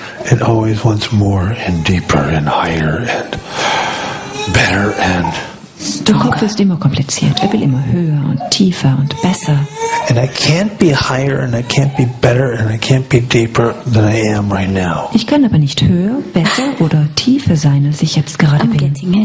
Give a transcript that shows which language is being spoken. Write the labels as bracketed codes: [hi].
[en] It always wants more and deeper and higher and better and [de] stronger. Der Kopf ist immer kompliziert. Er will immer höher und tiefer und besser. [en] And I can't be higher and I can't be better and I can't be deeper than I am right now. [de] Ich kann aber nicht höher, besser oder tiefer sein, als ich jetzt gerade bin.